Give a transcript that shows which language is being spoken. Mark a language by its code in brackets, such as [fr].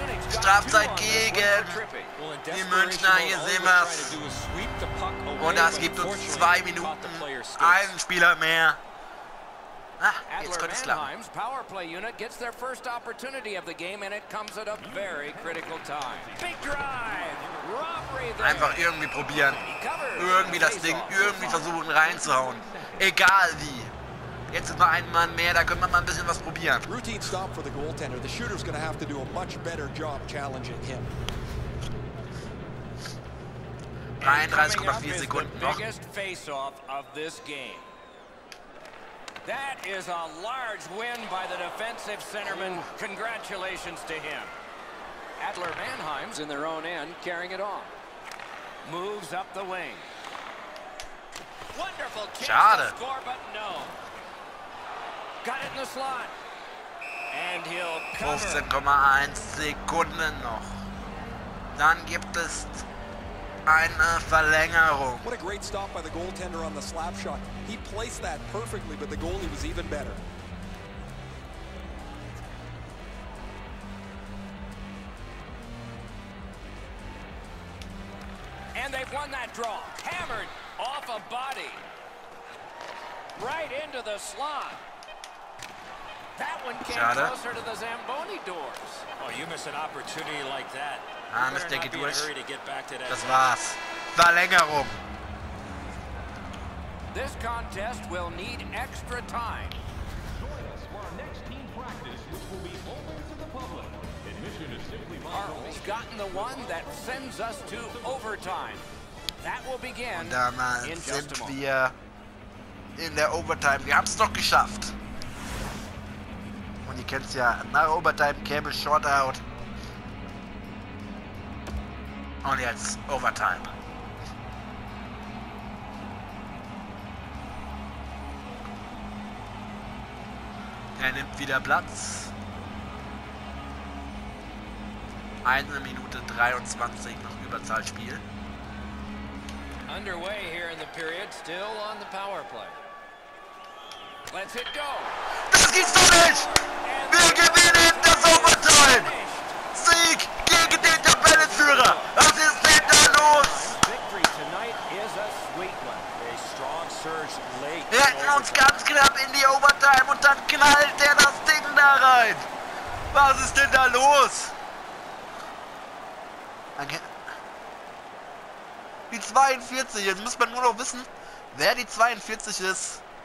[de] Strafzeit gegen die Münchner, hier sehen wir es. Und das gibt uns 2 Minuten, einen Spieler mehr. Ah, jetzt könnte es klappen. [en] Power play unit gets their first opportunity of the game and it comes at a very critical time. Big drive. Robbery. [de] Einfach irgendwie probieren. Irgendwie das Ding irgendwie versuchen reinzuhauen. Egal wie. Jetzt ist noch ein Mann mehr, da können wir mal ein bisschen was probieren. [en] Routine stop for the goaltender. The shooter's gonna have to do a much better job challenging him. [de] 33,4 Sekunden noch. [en] Biggest face-off of this game. That is a large win by the defensive centerman. Congratulations to him. Adler Mannheim's in their own end, carrying it on. Moves up the wing. Wonderful chance to score, but no. Got it in the slot. And he'll cover. [de] 15,1 Sekunden noch. Dann gibt es eine Verlängerung. [en] What a great stop by the goaltender on the slap shot. He placed that perfectly, but the goalie was even better. And they've won that draw. Hammered off a body. Right into the slot. That one came [de] Schade. [en] Closer to the Zamboni doors. Oh, you miss an opportunity like that. Ah, you better not be in a hurry to get back to that. [de] Das war's. Verlängerung. [en] This contest will need extra time. Join us for our next team practice, which will be open to the public. Admission is are we gotten the one that sends us to overtime. That will begin. [de] Und dann sind wir in der Overtime. Wir haben es doch geschafft. Und ihr kennt's ja, nach Overtime Cable Shortout. Und jetzt Overtime. Er nimmt wieder Platz. 1:23 noch Überzahlspiel. [en] Underway here in the period, still on the power play. Let's hit go. [de] Das gibt's doch nicht! Wir gewinnen das Overtime! Sieg gegen den Tabellenführer! Was ist denn da los? [en] Victory tonight is a sweet one. A strong surge late. [de] Wir hätten uns ganz knapp in die Overtime und dann knallt er das Ding da rein! Was ist denn da los? Die 42, jetzt muss man nur noch wissen, wer die 42 ist.